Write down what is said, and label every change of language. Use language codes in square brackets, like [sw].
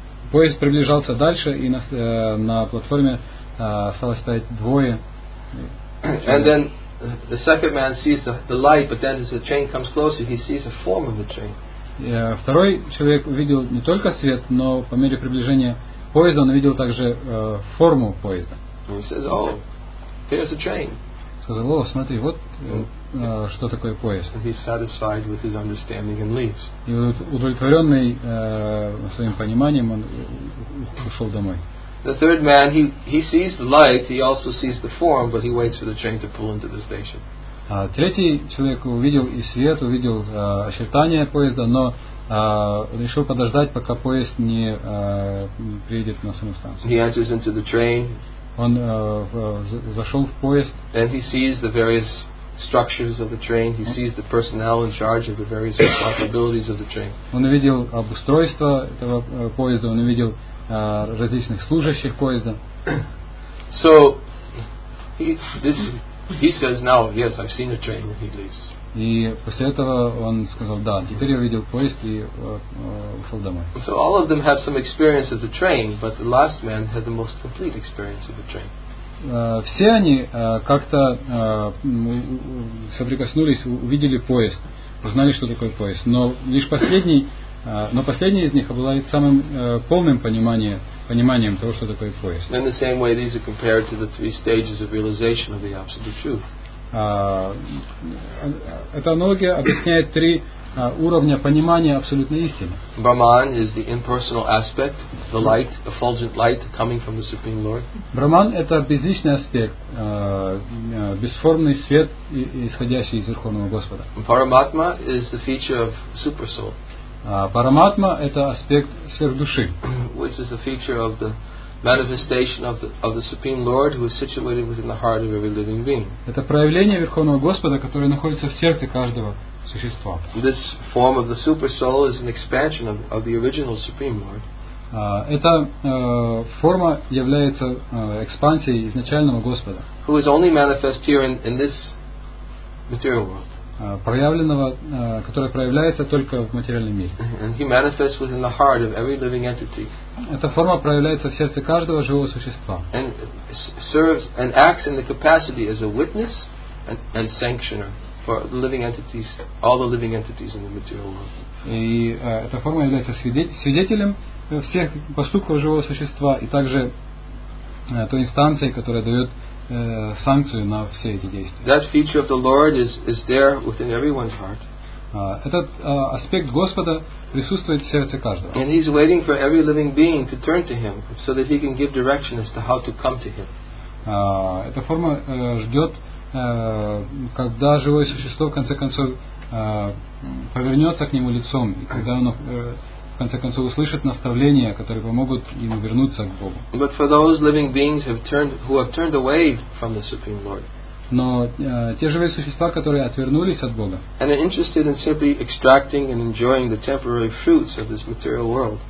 [ru] Поезд приближался дальше, и на платформе осталось стоять двое. [en] And then the second man sees the light, but then as the train comes closer, he sees a form of the train. [ru] Второй человек увидел не только свет, но по мере приближения поезда он видел также форму поезда. [en] He says, "Oh, here's a train." [ru] Сказал: "О, смотри, вот что такое поезд." [en] And he's satisfied with his understanding and leaves. [ru] И удовлетворенный своим пониманием, он ушел домой. [en] The third man, he sees the light, he also sees the form, but he waits for the train to pull into the station. [ru] Третий человек увидел и свет, увидел очертания поезда, но решил подождать, пока поезд не приедет на саму станцию. [en] He enters into the train. [ru] Он зашел в поезд. [en] And he sees the various structures of the train. He sees the personnel in charge of the various responsibilities of the train. [ru] Он увидел обустройство этого поезда. Он увидел различных служащих поезда. [en] So he says now, yes, I've seen a train, and he leaves. [ru] И после этого он сказал: да, теперь я видел поезд и ушел домой. [en] So all of them have some experience of the train, but the last man had the most complete experience of the train. [ru] Все они как-то соприкоснулись, увидели поезд, узнали, что такое поезд, но лишь последний, но последний из них обладает самым полным пониманием того, что такое поезд. [en] In the same way, these are compared to the three stages of realization of the absolute truth. [ru] Эта аналогия объясняет три уровня понимания абсолютной истины. [en] Brahman is the impersonal aspect, the light, effulgent light coming from the Supreme Lord. [ru] Brahman это безличный аспект, бесформный свет, исходящий из Верховного Господа. [en] Paramatma is the feature of super soul. [ru] Параматма это аспект сверхдуши. [en] Which is the feature of the manifestation of the Supreme Lord, who is situated within the heart of every living being. [ru] Это проявление Верховного Господа, которое находится в сердце каждого существа. [en] This form of the super soul is an expansion of the original Supreme Lord. [ru] Эта форма является экспансией изначального Господа. [en] Who is only manifest here in this material world. [ru] Проявленного, которое проявляется только в материальном мире. [en] And he manifests within the heart of every living entity. [ru] Эта форма проявляется в сердце каждого живого существа. [en] And serves and acts in the capacity as a witness and sanctioner for living entities, all the living entities in the material world. [ru] И эта форма является свидетелем всех поступков живого существа и также той инстанцией, которая дает санкцию на все эти действия. [en] That feature of the Lord is there within everyone's heart. [ru] Этот аспект Господа присутствует в сердце каждого. [en] And he's waiting for every living being to turn to him so that he can give direction as to how to come to him. [ru] Эта форма ждет, когда живое существо в конце концов повернется к нему лицом, и когда оно в конце концов услышит наставления, которые помогут ему вернуться к Богу. [en] But for those living beings who have turned away from the Supreme Lord. [ru] Но те живые существа, которые отвернулись от Бога, [en] and are interested in simply extracting and enjoying the temporary fruits of this material world.